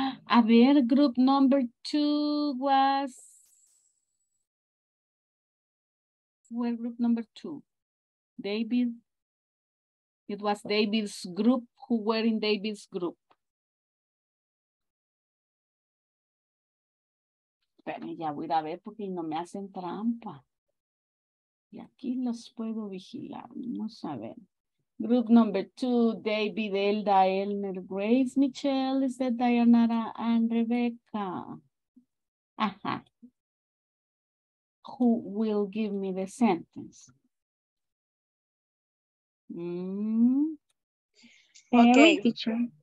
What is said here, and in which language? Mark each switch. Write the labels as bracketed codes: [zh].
[es] A ver, [en] group number two was, where group number two? David, it was David's group, who were in David's group? [es] Espera, ya voy a ver porque no me hacen trampa. Y aquí los puedo vigilar, vamos a ver. [en] Group number two, David, Elda, Elmer, Grace, Michelle, is that Dayanara and Rebecca? Aha. Who will give me the sentence? Okay, teacher.